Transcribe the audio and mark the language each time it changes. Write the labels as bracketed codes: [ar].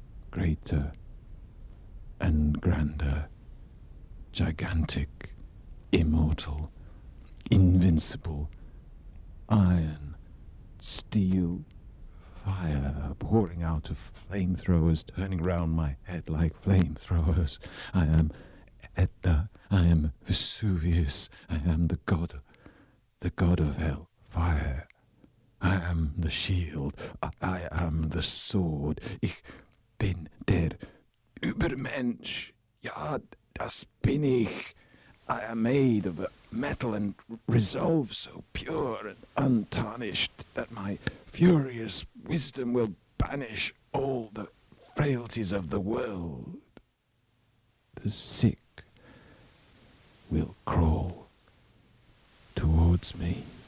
[en] greater and grander, gigantic, immortal, invincible, iron, steel, fire pouring out of flamethrowers, turning round my head like flamethrowers. I am Etna, I am Vesuvius, I am the god of hell, fire. I am the shield, I am the sword, [de] ich bin der Übermensch, ja, das bin ich. [en] I am made of a metal and resolve so pure and untarnished that my furious wisdom will banish all the frailties of the world. The sick will crawl towards me.